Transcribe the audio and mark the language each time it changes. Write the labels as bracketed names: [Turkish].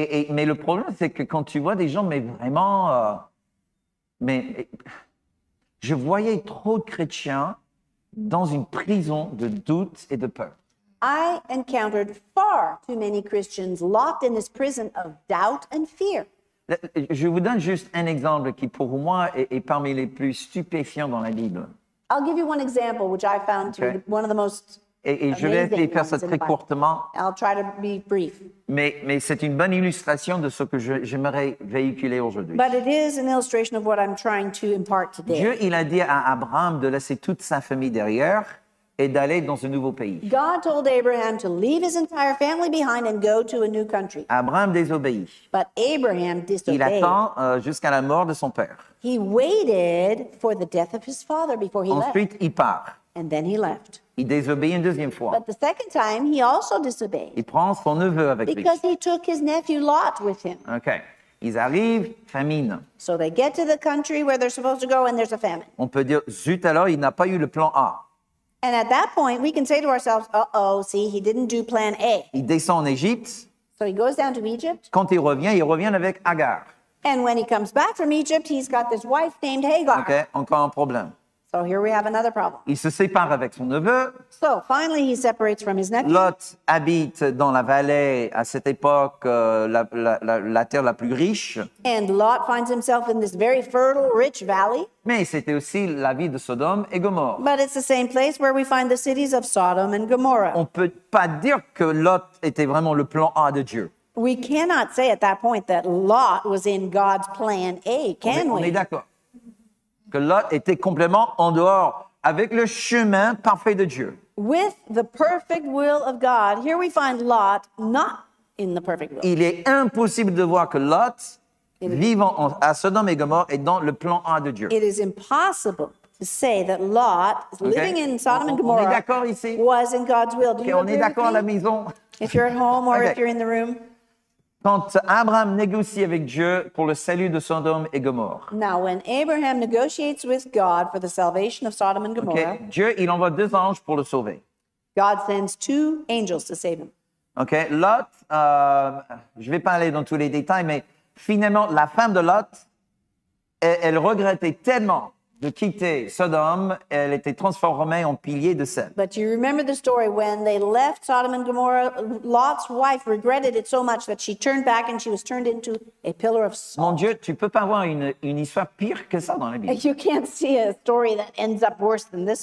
[French] Mais le problème, c'est que quand tu vois des gens, mais vraiment, je voyais trop de chrétiens dans une prison de doute et de peur. [English] I encountered far too many Christians locked in this prison of doubt and fear. [French] Je vous donne juste un exemple qui, pour moi, est parmi les plus stupéfiants dans la Bible. [English] I'll give you one example which I found to be one of the most [French] Et je vais essayer de faire ça très courtement. [English] I'll try to be brief. [French] Mais c'est une bonne illustration de ce que j'aimerais véhiculer aujourd'hui. [English] But it is an illustration of what I'm trying to impart today. [French] Dieu, il a dit à Abraham de laisser toute sa famille derrière et d'aller dans un nouveau pays. [English] God told Abraham to leave his entire family behind and go to a new country. [French] Abraham désobéit. [English] But Abraham disobeyed. [French] Il attend jusqu'à la mort de son père. [English] He waited for the death of his father before he [French] Ensuite, [English] left. [French] Ensuite, il part. [English] And then he left. [French] Il désobéit une deuxième fois. [English] But the second time, he also disobeyed. [French] Il prend son neveu avec [English] because [French] lui. [English] Because he took his nephew Lot with him. [French] Okay. Ils arrivent, famine. [English] So they get to the country where they're supposed to go and there's a famine. [French] On peut dire, zut alors, il n'a pas eu le plan A. [English] And at that point, we can say to ourselves, uh-oh, see, he didn't do plan A. [French] Il descend en Égypte. [English] So he goes down to Egypt. [French] Quand il revient avec Agar. [English] And when he comes back from Egypt, he's got this wife named Hagar. [French] Okay, encore un problème. [English] So here we have another problem. [French] Il se sépare avec son neveu. [English] So finally he separates from his nephew. [French] Lot habite dans la vallée, à cette époque, la terre la plus riche. [English] And Lot finds himself in this very fertile, rich valley. [French] Mais c'était aussi la ville de Sodome et Gomorrhe. [English] But it's the same place where we find the cities of Sodom and Gomorrah. [French] On peut pas dire que Lot était vraiment le plan A de Dieu. [English] We cannot say at that point that Lot was in God's plan A, can we? [French] On est d'accord. Que Lot était complètement en dehors avec le chemin parfait de Dieu. [English] With the perfect will of God, here we find Lot not in the perfect will. [French] Il est impossible de voir que Lot, vivant à Sodome et Gomorrhe, est dans le plan A de Dieu. [English] It is impossible to say that Lot, living in Sodom and Gomorrah, [French] on est d'accord ici? [English] Was in God's will. Do [French] okay, [English] you [French] on est d'accord [English] with [French] à la maison? [English] If you're at home or if you're in the room. [French] Quand Abraham négocie avec Dieu pour le salut de Sodome et Gomorrhe. [English] Now, when Abraham negotiates with God for the salvation of Sodom and Gomorrah. Okay. [French] Dieu, il envoie deux anges pour le sauver. [English] God sends two angels to save him. Okay. [French] Lot, je vais pas aller dans tous les détails, mais finalement, la femme de Lot, elle regrettait tellement de quitter Sodome, elle était transformée en pilier de sel. [English] But you remember the story when they left Sodom and Gomorrah, Lot's wife regretted it so much that she turned back and she was turned into a pillar of salt. [French] Mon Dieu, tu peux pas voir une histoire pire que ça dans la Bible. [English] You can't see a story that ends up worse than this